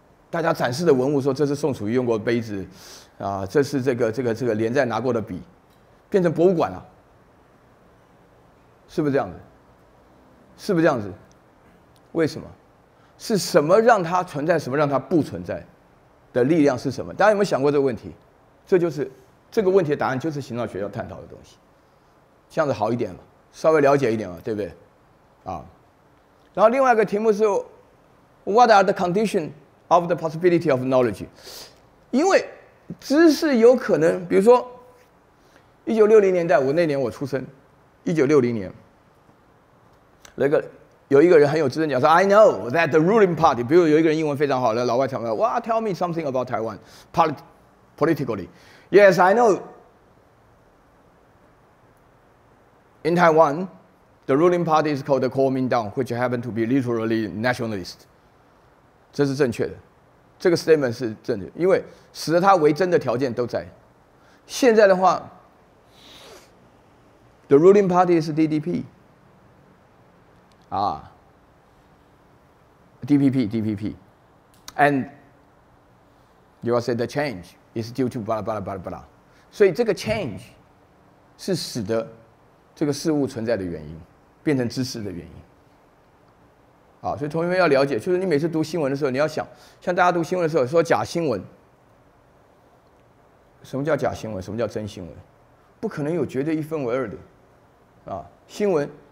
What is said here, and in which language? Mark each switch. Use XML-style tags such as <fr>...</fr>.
<zh>大家展示的文物说这是宋楚瑜用过的杯子啊，这是这个连载拿过的笔，变成博物馆了、是不是这样子？是不是这样子？为什么？是什么让它存在，什么让它不存在的力量是什么？大家有没有想过这个问题？这就是这个问题的答案，就是形上学要探讨的东西，这样子好一点嘛，稍微了解一点嘛，对不对？然后另外一个题目是 ，</zh> <en>What are the condition of the possibility of knowledge？</en> <zh>因为知识有可能，比如说，1960年代，我那年我出生，1960年，那个有一个人很有知识讲说 ，</zh> <en>I know that the ruling party，</en> <zh>比如有一个人英文非常好，那老外讲说，哇 ，</zh> <en>Tell me something about Taiwan politically。 Yes, I know. In Taiwan, the ruling party is called the Kuomintang, which happened to be literally nationalist.</en> <zh>这是正确的，这个 statement 是正确的，因为使得它为真的条件都在。现在的话</zh> <en>，the ruling party is DDP. DPP, and you will say the change. Is due to blah blah</en> <zh>blah blah， 所以这个 change 是使得这个事物存在的原因，变成知识的原因。好，所以同学们要了解，就是你每次读新闻的时候，你要想，像大家读新闻的时候说假新闻，什么叫假新闻？什么叫真新闻？不可能有绝对一分为二的，新闻</zh>